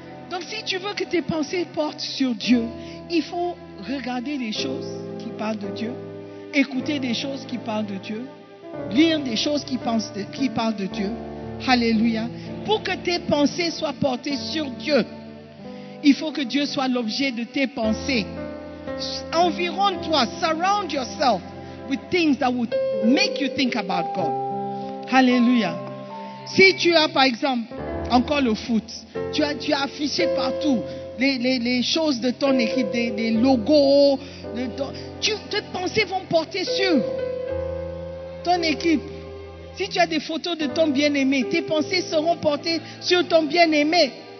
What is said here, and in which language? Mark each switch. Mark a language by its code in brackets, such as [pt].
[fr] Donc si tu veux que tes pensées portent sur Dieu, il faut regarder des choses qui parlent de Dieu, écouter des choses qui parlent de Dieu, lire des choses qui parlent de Dieu. Alléluia. Pour que tes pensées soient portées sur Dieu, il faut que Dieu soit l'objet de tes pensées. Environne-toi, [en] surround yourself with things that would make you think about God. [fr] Alléluia. Si tu as par exemple encore le foot, tu as affiché partout les choses de ton équipe, des logos, tes pensées vont porter sur ton équipe. Si tu as des photos de ton bien-aimé, tes pensées seront portées sur ton bien-aimé.